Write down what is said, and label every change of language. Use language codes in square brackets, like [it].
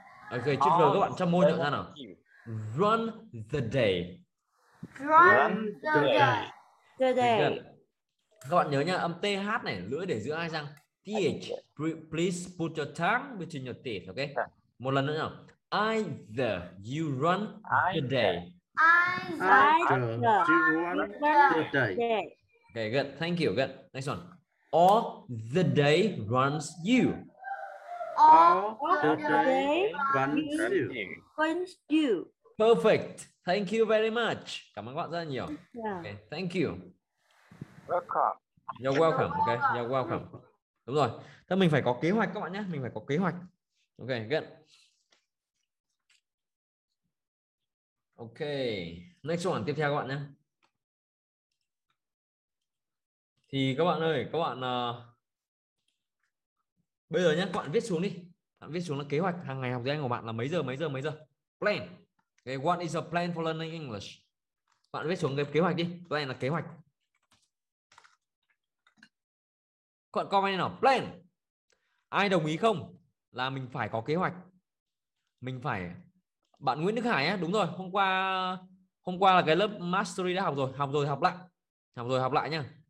[vi] Okay, chút rồi các bạn cho môi nhận ra nào. [en] Run the day. Run the day. [vi] Các bạn nhớ nha, âm TH này, lưỡi để giữa hai răng. [en] TH, please put your tongue between your teeth, okay? [vi] Một lần nữa nào. [en] Either you run the day. I run the day. Okay, good. Thank you. Good. Next one. Or the day runs you. Or the day runs you. Perfect. Thank you very much. [vi] Cảm ơn các bạn rất nhiều. [en] Yeah. Okay, thank you. Welcome. You're welcome. Okay, you're welcome. [vi] Đúng rồi. Thế mình phải có kế hoạch các bạn nhé. Mình phải có kế hoạch. [en] Okay, good. Ok, next one, [vi] tiếp theo các bạn nhé. Thì các bạn ơi, các bạn bây giờ nhé, các bạn viết xuống đi. Bạn viết xuống là kế hoạch hàng ngày học tiếng Anh của bạn là mấy giờ. [en] Plan. Okay, what is a plan for learning English? [vi] Bạn viết xuống cái kế hoạch đi. Plan là kế hoạch. Các bạn comment nào, plan. Ai đồng ý không? Là mình phải có kế hoạch. Mình phải... Bạn Nguyễn Đức Hải á, đúng rồi, hôm qua là cái lớp mastery đã học rồi học lại nhá.